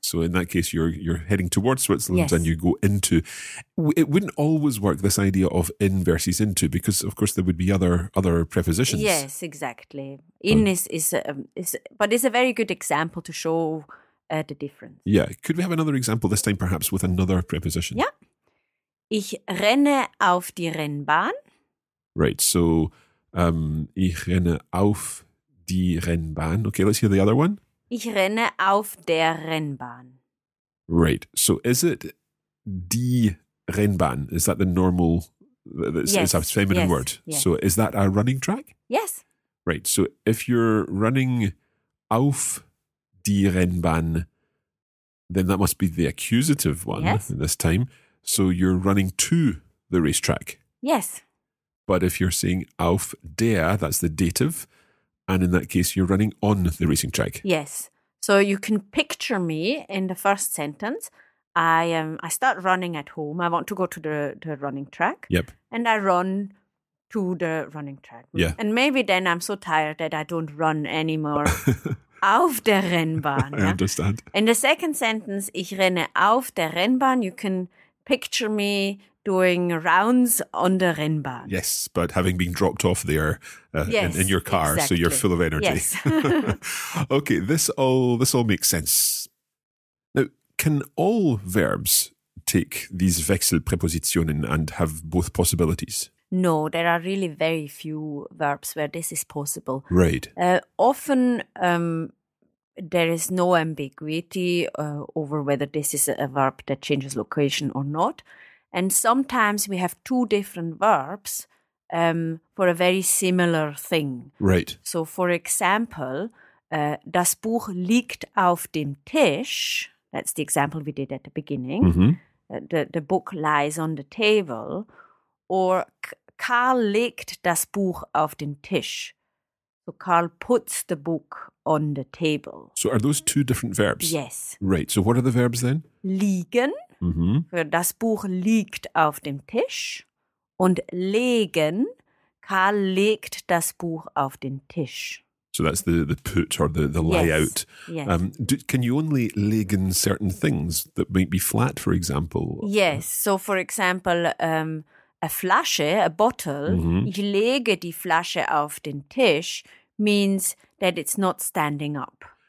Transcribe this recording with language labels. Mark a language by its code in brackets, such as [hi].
[en] So in that case, you're heading towards Switzerland and you go into. It wouldn't always work, this idea of in versus into, because, of course, there would be other prepositions. Yes, exactly. In is a very good example to show the difference. Yeah. Could we have another example this time, perhaps, with another preposition? Yeah. [de] Ich renne auf die Rennbahn. [en] Right. [de] So ich renne auf die Rennbahn. [en] Okay, let's hear the other one. [de] Ich renne auf der Rennbahn. [en] Right. So is it die Rennbahn? Is that the normal, it's a feminine word. Yes. So is that a running track? Yes. Right. So if you're running [de] auf die Rennbahn, [en] then that must be the accusative one this time. So you're running to the racetrack. Yes. But if you're saying auf der, that's the dative. And in that case, you're running on the racing track. Yes. So you can picture me in the first sentence. I start running at home. I want to go to the running track. Yep. And I run to the running track. Yeah. And maybe then I'm so tired that I don't run anymore [de] auf der Rennbahn. [en] I understand. In the second sentence, [de] ich renne auf der Rennbahn. [en] You can picture me doing rounds on the Rennbahn. Yes, but having been dropped off there in your car, exactly. So you're full of energy. Yes. Okay, this all makes sense. Now, can all verbs take these Wechselpräpositionen and have both possibilities? No, there are really very few verbs where this is possible. Right. Often there is no ambiguity over whether this is a verb that changes location or not. And sometimes we have two different verbs for a very similar thing. Right. So, for example, [de] das Buch liegt auf dem Tisch. [en] That's the example we did at the beginning. Mm-hmm. The book lies on the table. [de] Or Karl legt das Buch auf den Tisch. [en] So Karl puts the book on the table. So are those two different verbs? Yes. Right. So what are the verbs then? [de] Liegen. Mm-hmm. Das Buch liegt auf dem Tisch. Und legen. Karl legt das Buch auf den Tisch. [en] So that's the put or the layout. Yes. Can you only legen certain things that might be flat, for example? Yes. So for example, a Flasche, a bottle. Mm-hmm. [de] Ich lege die Flasche auf den Tisch [en] means that it's not standing up.